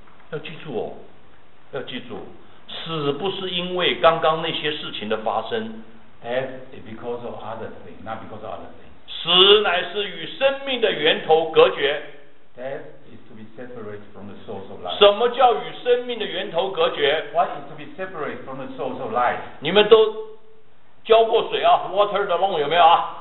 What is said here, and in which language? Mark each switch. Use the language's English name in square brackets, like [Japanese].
[Chinese] 要记住哦，要记住，死不是因为刚刚那些事情的发生。 [English] Death is because of other things, not because of other things. [Chinese] 死乃是与生命的源头隔绝。 [English] Death is to be separated from the source of life. [Chinese] 什么叫与生命的源头隔绝 [English] ？What is to be separated from the source of life? [Chinese] 你们都浇过水啊 ？ [English] Water the lawn [Chinese] 有没有啊